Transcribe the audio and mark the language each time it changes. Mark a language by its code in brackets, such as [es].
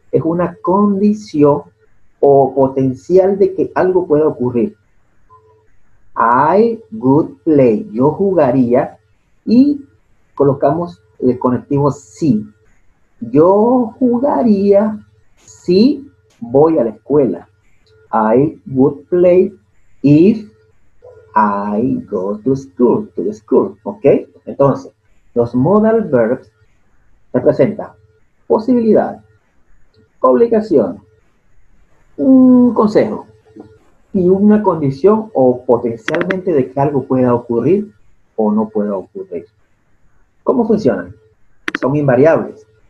[es] Es una condición o potencial de que algo pueda ocurrir. [en] I would play. [es] Yo jugaría. Y colocamos el conectivo sí. Yo jugaría si voy a la escuela. [en] I would play if I go to school. [es] ¿Ok? Entonces, los modal verbs representan posibilidad, obligación, un consejo y una condición o potencialmente de que algo pueda ocurrir o no pueda ocurrir. ¿Cómo funcionan? Son invariables.